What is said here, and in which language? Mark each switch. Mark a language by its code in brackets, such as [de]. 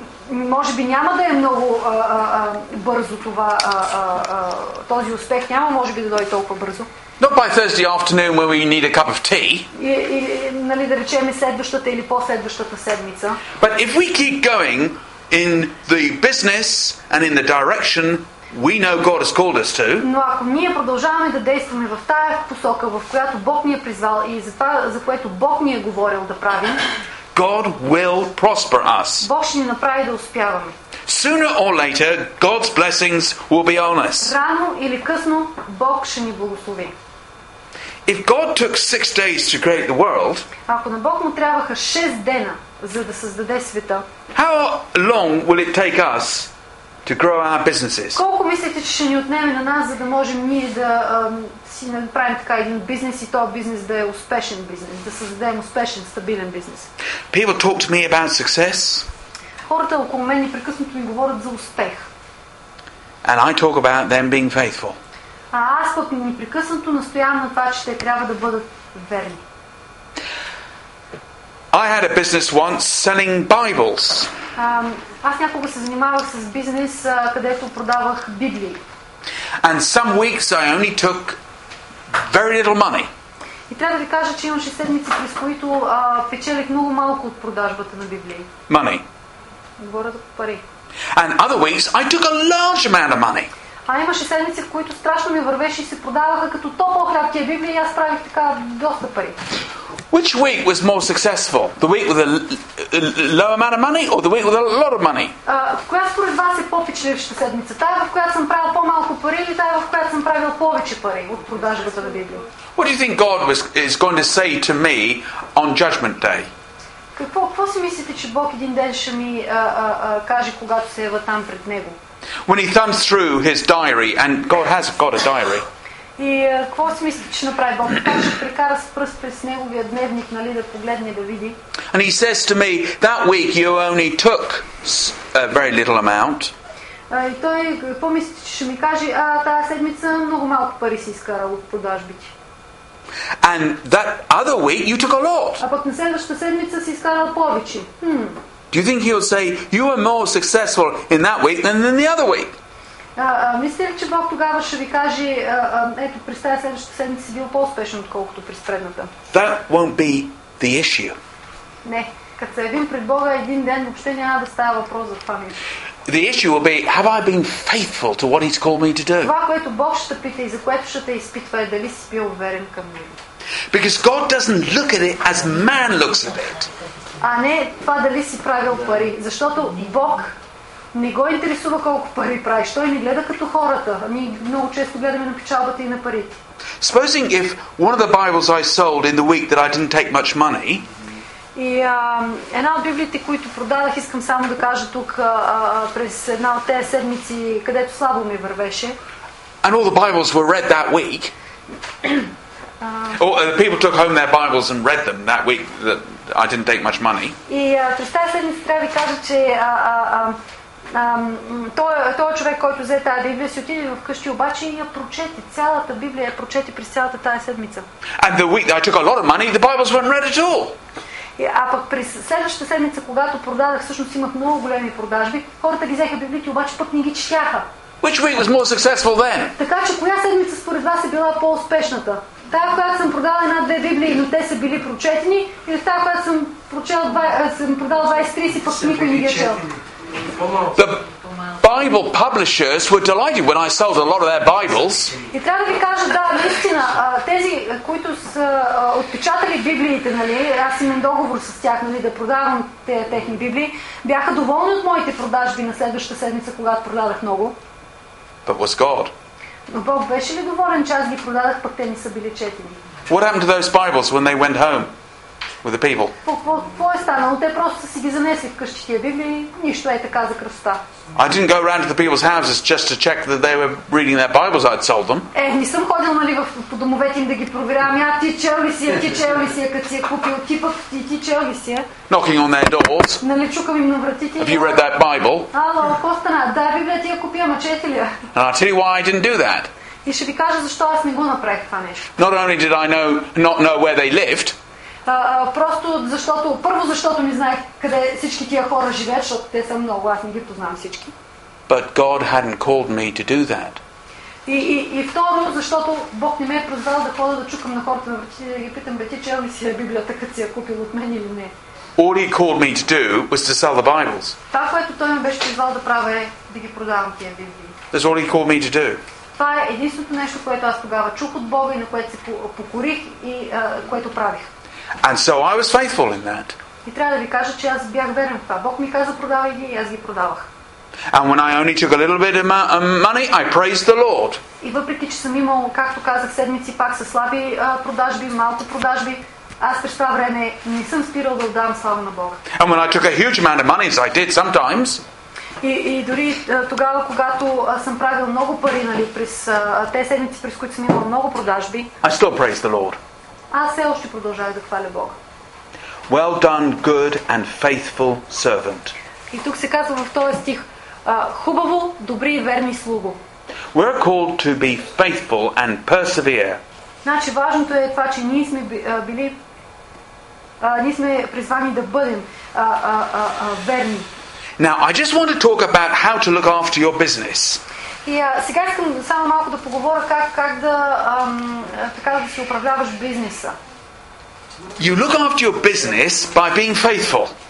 [bg] Може би няма да е много бързо това, този успех няма може би да дойде толкова бързо. [en] Not by Thursday afternoon when we need a cup of tea. [bg] Нали, да речем следващата или по-следващата седмица. [en] But if we keep going in the business and in the direction we know God has called us to. [bg] Но ако ние продължаваме да действаме в тая посока, в която Бог ни е призвал и за това, за което Бог ни е говорил да правим, [en] God will prosper us. [bg] Бог ще ни направи да успяваме. [en] Sooner or later, God's blessings will be on us. [bg] Рано или късно Бог ще ни благослови. [en] If God took 6 days to create the world, [bg] ако на Бог му трябваха 6 дена за да създаде света, [en] how long will it take us to grow our businesses? [bg] Колко мислите, че ще ни отнеме на нас, за да можем ние да си направим така един бизнес и този бизнес да е успешен бизнес, да създадем успешен, стабилен бизнес? [en] People talk to me about success. [bg] Хората около мен непрекъснато ми говорят за успех. [en] And I talk about them being faithful. [bg] А аз пък непрекъснато настоявам на това, че те трябва да бъдат верни. [en] I had a business once selling Bibles. [bg] Аз някога се занимавах с бизнес, където продавах библии. [en] And some weeks I only took very little money. [bg] И трябва да ви кажа, че имаше седмици, през които печелих много малко от продажбата на библии. [en] Money. [bg] Говоря за пари. [en] And other weeks I took a large amount of money. [bg] А имаше седмици, в които страшно ми вървеше и се продаваха като топъл хляб тия библии и аз правих така доста пари. [en] Which week was more successful? The week with a low amount of money or the week with a lot of money? [bg] Коя според вас е по-печелившата седмица? Тая, в която съм правил по-малко пари или тая, в която съм правил повече пари от продажбата на библии? [en] What do you think God is going to say to me on judgment day? [bg] Какво си мислите, че Бог един ден ще ми каже, когато се ява там пред него? [en] When he thumbs through his diary, and God has got a diary. [bg] И какво си мислите, че направи Бог? Как ще прекара с пръст през неговия дневник, нали, да погледне, да види? [en] And he says to me, that week you only took a very little amount. [bg] И той, какво мислите, че ще ми каже, тази седмица много малко пари си изкара от продажбите. [en] And that other week you took a lot. [bg] А пък на следващата седмица си изкарал повече. [en] Do you think he'll say you were more successful in that week than in the other week? [bg] Мисля ли, че Бог тогава ще ви каже, ето, през тази следващата седмица си бил по-успешен, отколкото през предната? [en] That won't be the issue. [bg] Не, като се явим пред Бога един ден, въобще няма да става въпрос за това нещо. [en] The issue will be, have I been faithful to what he's called me to do? [bg] Това, което Бог ще пита и за което ще те изпитва, е дали си бил уверен към него. [en] Because God doesn't look at it as man looks at it. [bg] А не това дали си правил пари, защото Бог не го интересува колко пари правиш. Той ни гледа като хората. Ние много често гледаме на печалбата и на парите. [en] Supposing if one of the Bibles I sold in the week that I didn't take much money. [bg] И една от библиите, които продадах, искам само да кажа тук, през една от тези седмици, където слабо ми вървеше. [en] And all the Bibles were read that week. The people took home their Bibles and read them that week that I didn't take much money. [bg] И през тази седмица трябва да ви кажа, че той човек, който взе тази Библия, си отиде в къщи, обаче я прочете. Цялата Библия я прочете през цялата тази седмица. [en] And the week that I took a lot of money, the Bibles weren't read at all. [bg] А пък през следващата седмица, когато продадах, всъщност имах много големи продажби, хората ги взеха библиите, обаче пък не ги четяха. [en] Which week was more successful then? [bg] Така че коя седмица според вас е била по-успешната? Тая, която съм продал една-две библии, но те са били прочетени, или тая, която съм прочел, съм продал 20-30, пък никой не ги е взел? [en] The Bible publishers were delighted when I sold a lot of their Bibles. [bg] И трябва да ви кажа, да, наистина, тези, които са отпечатали библиите, нали, аз имам договор с тях, нали, да продавам тези техни библии, бяха доволни от моите продажби на следващата седмица, когато продадах много. [en] But was God? [bg] Но Бог беше ли доволен, че аз ги продадах, пък те не са били четени? [en] What happened to those Bibles when they went home? With the people. [bg] Какво е станало? Те просто са си ги занесли в къщи тия библии, нищо е така за кръста. [en] I didn't go around to the people's houses just to check that they were reading their Bibles I'd sold them. [bg] Е, не съм ходил, нали, по домовете им да ги проверявам. А ти чел ли си, като си я купил, ти чел ли си? [en] Knocking on their doors. [bg] Нали, чукам им на вратите. [en] Have you read that Bible? [bg] Ало, какво стана? Да, библия ти я купи, ама чети ли? [en] And I'll tell you why I didn't do that. [bg] И ще ви кажа защо аз не го направих това нещо. [en] Not only did I not know where they lived. [bg] Просто защото, първо защото не знаех къде всички тия хора живеят, защото те са много, аз не ги познавам всички. [en] But God hadn't called me to do that. [bg] И второ, защото Бог не ме е прозвал да ходя да чукам на хората на вратите и да ги питам, бе, ти чел ли си Библията, като си я купил от мен или не. [en] All he called me to do was to sell the Bibles. [bg] Това, което той ме беше призвал да правя, е да ги продавам тия Библии. [en] That's all he called me to do. [bg] Това е единственото нещо, което аз тогава чух от Бога и на което се покорих и което правих. [en] And so I was faithful in that. [bg] И трябва да ви кажа, че аз бях верен в това. Бог ми каза продавай ги и аз ги продавах. [en] And when I only took a little bit of money, I praised the Lord. [bg] И въпреки че съм имал, както казах, седмици пак със слаби продажби, малко продажби, аз през това време не съм спирал да отдавам слава на Бога. [en] And when I took a huge amount of money, as I did sometimes. [bg] И дори тогава, когато съм правил много пари, нали, през тези седмици, през които съм имал много продажби, [en] I still praised the Lord. [bg] Аз все още продължавам да хваля Бога. [en] Well done, good and faithful servant. [bg] И тук се казва в този стих, хубаво, добри и верни слуго. [en] We're called to be faithful and persevere. [bg] Значи важното е това, че ние сме били, ние сме призвани да бъдем верни. [en] Now, I just want to talk about how to look after your business. [bg] И сега искам само малко да поговоря как да така да се управляваш бизнеса. [en] You look after your business by being faithful.